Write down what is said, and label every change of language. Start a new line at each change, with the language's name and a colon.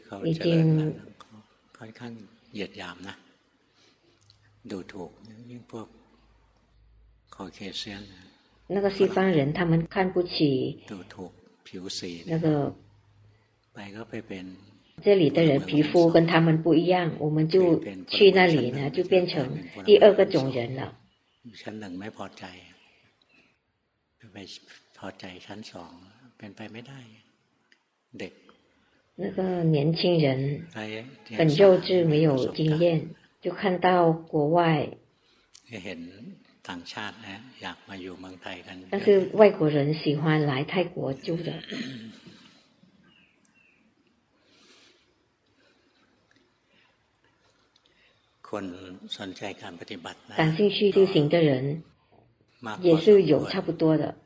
Chinese: 已经
Thai: ค่อนข้างเหยียดหยามนะดูถูกยิ่งพวกคอเคเซียน
Chinese: 那个西方人他们看不起
Thai: ดูถูกผิวสี
Chinese: 那个
Thai: ไปก็ไปเป็น
Chinese: 这里的人皮肤跟他们不一样我们就去那里呢就变成第二个种人了
Thai: ชั้นหนึ่งไม่พอใจไปพอใจชั้นสองเป็นไปไม่ได้เด็ก
Chinese: 那个年轻人很幼稚没有经验就看到国外
Thai: เห็นต่างชาตินะอยากมาอยู่เมืองไทยกัน
Chinese: 但是外国人喜欢来泰国住的
Thai: คนสนใจการปฏิบัติน
Chinese: ะ感兴趣修行的人也是有差不多的